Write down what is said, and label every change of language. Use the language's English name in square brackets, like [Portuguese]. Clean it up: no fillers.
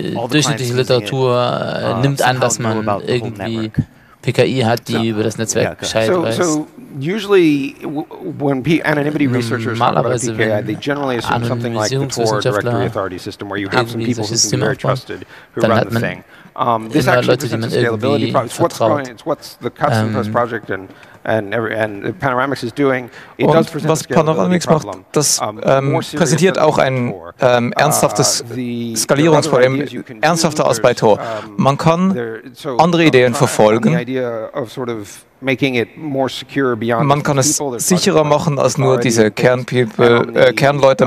[German] Durchschnittliche Literatur nimmt an, dass man irgendwie PKI hat, die über das Netzwerk Bescheid weiß. [English] Usually, when anonymity researchers talk about PKI, they generally assume something like the Tor directory authority system, where you have some people who can be very trusted who run the thing. This actually presents a scalability problem. It's what's the custom post project and Panoramix is doing. It does present a scalability problem. [German] Das präsentiert auch ein ernsthaftes Skalierungsproblem, ernsthafter als bei Tor. Man kann andere Ideen verfolgen. [English] Making it more secure beyond [German] man kann es sicherer machen als nur diese Kernleute.